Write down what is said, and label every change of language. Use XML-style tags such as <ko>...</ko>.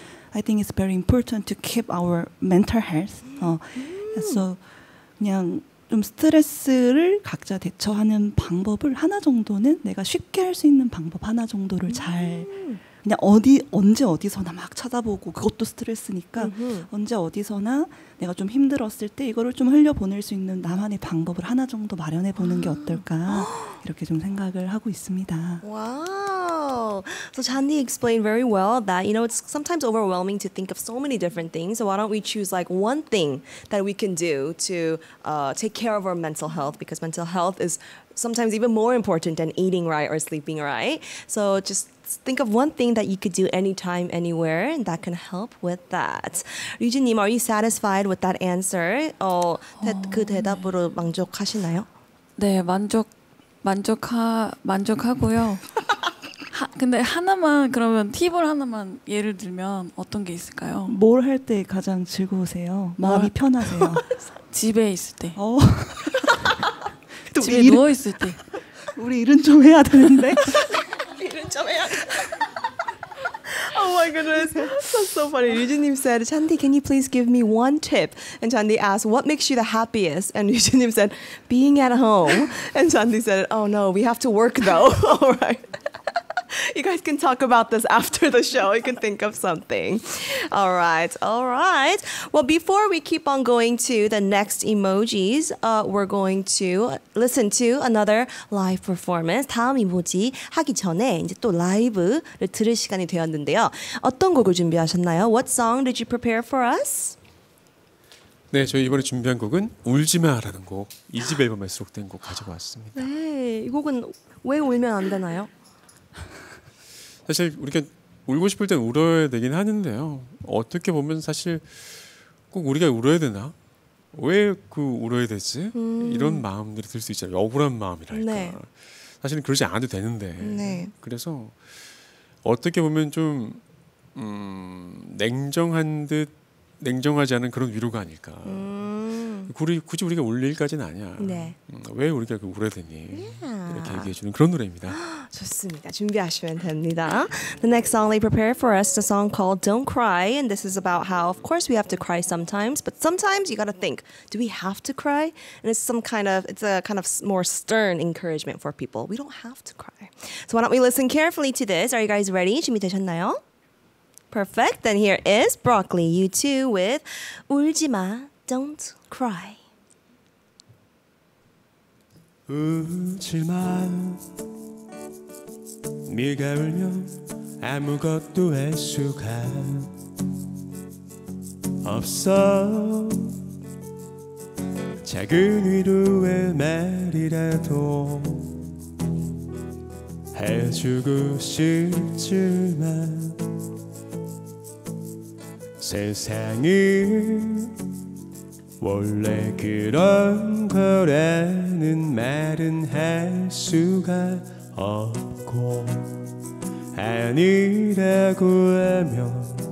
<en>I think it's very important to keep our mental health.</en> <ko>So 그냥 좀 스트레스를 각자 대처하는 방법을 하나 정도는 내가 쉽게 할 수 있는 방법 하나 정도를 잘 그냥 어디 언제 어디서나 막 쳐다보고 그것도 스트레스니까 음흠. 언제 어디서나 내가 좀 힘들었을 때 이거를 좀 흘려보낼 수 있는 나만의 방법을 하나 정도 마련해 보는 게 어떨까 이렇게 좀 생각을 하고 있습니다. 와.</ko> <en>So Chandi explained very well that, you know, it's sometimes overwhelming to think of so many different things. So why don't we choose like one thing that we can do to take care of our mental health, because mental health is sometimes even more important than eating right or sleeping right. So just think of one thing that you could do anytime, anywhere that can help with that. 류진님, are you satisfied with that answer?</en> <ko>그 대답으로 네. 만족하시나요? 네, 만족하고요. 근데 하나만 그러면 팁을 하나만 예를 들면 어떤 게 있을까요? 뭘 할 때 가장 즐거우세요? 마음이 편하세요? 집에 있을 때. 집에 일은, 누워 있을 때. 우리 일은 좀 해야 되는데. 일은 좀 해야.</ko> <en>Oh my goodness, that's so funny. Yujinim said, Chandi, can you please give me one tip? And Chandi asked, what makes you the happiest? And Yujinim said, being at home. And Chandi said, oh no, we have to work though. All right. You guys can talk about this after the show. You can think of something. All right. All right. Well, before we keep on going to the next emojis, we're going to listen to another live performance.</en> <ko>다음 이모지 하기 전에 이제 또 라이브를 들을 시간이 되었는데요. 어떤 곡을 준비하셨나요?</ko> <en>What song did you prepare for us?</en> <ko>네, 저희 이번에 준비한 곡은 울지마라는 곡. 2집 앨범에 수록된 곡 가지고 왔습니다. 네, 이 곡은 왜 울면 안 되나요? 사실 우리가 울고 싶을 땐 울어야 되긴 하는데요. 어떻게 보면 사실 꼭 우리가 울어야 되나? 왜 그 울어야 되지? 이런 마음들이 들 수 있잖아요. 억울한 마음이랄까. 네. 사실은 그러지 않아도 되는데. 네. 그래서 어떻게 보면 좀 냉정한 듯 냉정하지 않은 그런 위로가 아닐까. 굳이 우리가 울 일까지는 아니야. 네. 왜 우리가 그 울어야 되니?</ko> <en>Yeah.</en> <ko>이렇게 얘기해 주는 그런 노래입니다. 좋습니다. 준비하시면 됩니다.</ko> <en>The next song they prepared for us is a song called Don't Cry. And this is about how, of course, we have to cry sometimes. But sometimes you got to think, do we have to cry? And it's some kind of, it's a kind of more stern encouragement for people. We don't have to cry. So why don't we listen carefully to this? Are you guys ready?</en> <ko>준비되셨나요?</ko> <en>Perfect. Then here is Broccoli, you two with 울지마, Don't Cry.</en> <ko>울지마 네가 울면 아무것도 할 수가 없어 작은 위로의 말이라도 해주고 싶지만 세상은 원래 그런 거라는 말은 할 수가 없고 아니라고 하면</ko>